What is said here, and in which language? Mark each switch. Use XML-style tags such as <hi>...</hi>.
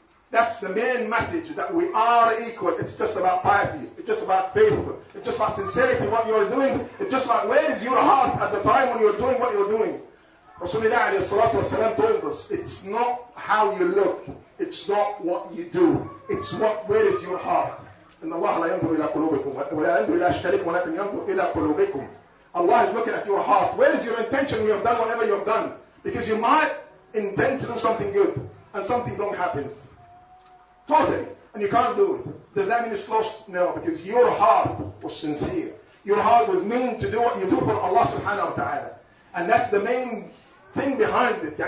<en>That's the main message, that we are equal. It's just about piety. It's just about faith. It's just about sincerity, what you're doing. It's just about where is your heart at the time when you're doing what you're doing. Rasulullah alayhi salatu wasalam told us, it's not how you look. It's not what you do. It's what, where is your heart?</en> <ar>إن الله لا ينظر إلى قلوبكم ولا ينظر إلى أشكالكم ولكن ينظر إلى قلوبكم.</ar> <en>Allah is looking at your heart. Where is your intention when you have done whatever you have done? Because you might intend to do something good and something wrong happens. Totally. And you can't do it. Does that mean it's lost? No, because your heart was sincere. Your heart was meant to do what you do for Allah subhanahu wa ta'ala. And that's the main thing behind it.</en>